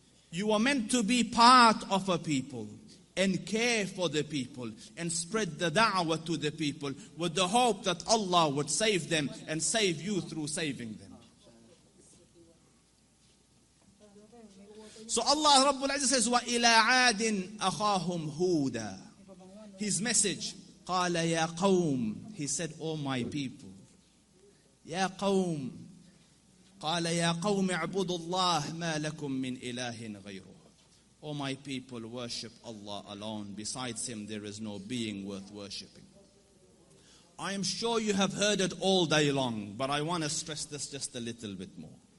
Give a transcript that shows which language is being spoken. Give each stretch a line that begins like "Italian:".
English: You are meant to be part of a people and care for the people and spread the da'wah to the people with the hope that Allah would save them and save you through saving them. So Allah Rabbul Azza says,
Arabic: وَإِلَىٰ عَادٍ أَخَاهُمْ هُودًا.
English: His message,
Arabic: قَالَ يَا قَوْمٍ.
English: He said, oh my people,
Arabic: يَا قَوْمٍ. قَالَ يَا قَوْمِ اعْبُدُوا اللَّهِ مَا لَكُمْ مِنْ إِلَٰهٍ غَيْرُهُ.
English: O my people, worship Allah alone. Besides Him, there is no being worth worshipping. I am sure you have heard it all day long, but I want to stress this just a little bit more.